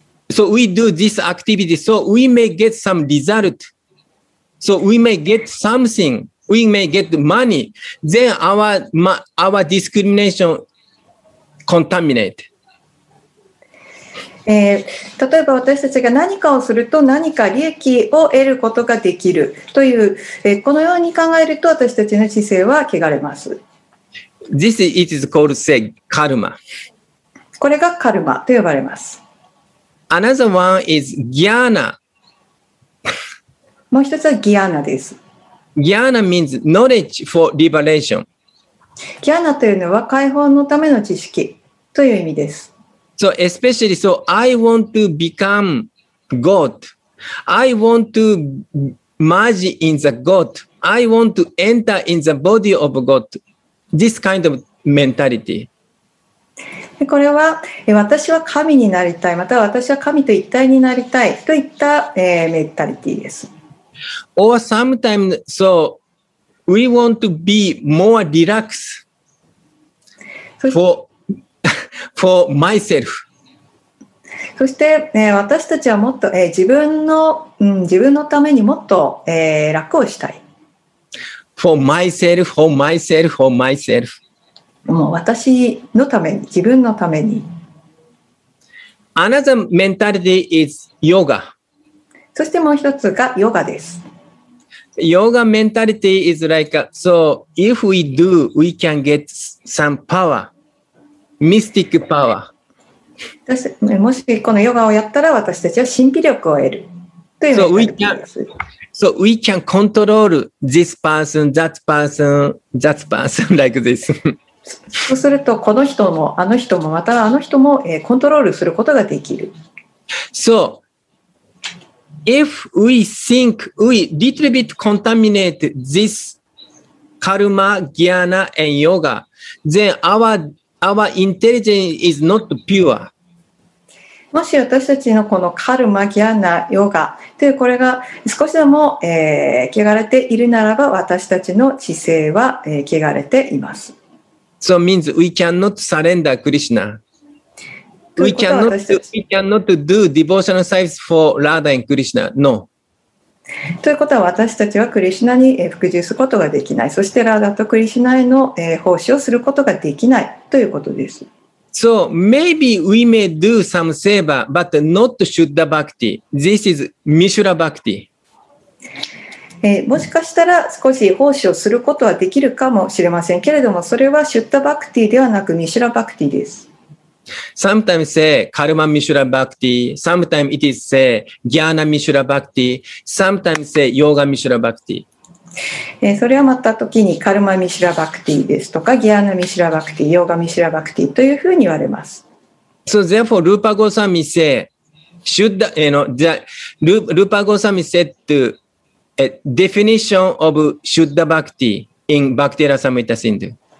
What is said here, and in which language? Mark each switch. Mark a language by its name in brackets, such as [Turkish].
[English] So we do this activity, so we may get some result. So we may get something, we may get money, then our discrimination contaminate. [Japanese] 例えば私たちが何かをすると何か利益を得ることができるという、このように考えると私たちの知性は汚れます。 [English] This is called say karma. [Japanese] これがカルマと呼ばれます。 [English] Another one is jnana. [Japanese] もう一つはギアナです。 [English] Jnana means knowledge for liberation. [Japanese] ギアナというのは解放のための知識という意味です。 [English] So especially, so I want to become God. I want to merge in the God. I want to enter in the body of God. this kind of mentality. [Japanese] これは私は神になりたい、または私は神と一体になりたいといった、メンタリティです。 [English] Or sometimes, so we want to be more relaxed for myself. [Japanese] そして、私たちはもっと、自分の、うん、自分のためにもっと、楽をしたい。 [English] For myself, for myself, for myself. [Japanese] もう私のために、自分のために。 [English] Another mentality is yoga. [Japanese] そしてもう一つがヨガです。 [English] Yoga mentality is like, so if we do, we can get some power, mystic power. [Japanese] もしこのヨガをやったら私たちは神秘力を得るというメンタリティです。 [English] So we can control this person, that person, that person like this. [Japanese] そうするとこの人もあの人もまたあの人もコントロールすることができる。 [English] So if we think we little bit contaminate this karma, jnana and yoga, then our intelligence is not pure. もし私たちのこのカルマ、ギャナ、ヨガというこれが少しでも、汚れているならば私たちの知性は、汚れています。 So means we cannot surrender Krishna. We cannot do devotional service for Radha and Krishna. No. [Japanese] ということは私たちはクリシナに服従することができない。そしてラーダとクリシナへの、奉仕をすることができないということです。 [English] So maybe we may do some seva, but not Shuddha Bhakti. This is Mishra Bhakti. [Japanese] もしかしたら少し奉仕をすることはできるかもしれませんけれども、それは Shuddha Bhakti ではなく Mishra Bhakti です。 [English] Sometimes say Karma Mishra Bhakti, sometimes it is say Jnana Mishra Bhakti, sometimes say Yoga Mishra Bhakti. [Japanese] それはまた時にカルマミシラバクティですとかギアナミシラバクティ、ヨガミシラバクティというふうに言われます。 [English] So therefore, Rupa Goswami said, should the, you know, the, Rupa Goswami said to a definition of Shuddha Bhakti in Bhakti Rasamrita Sindhu.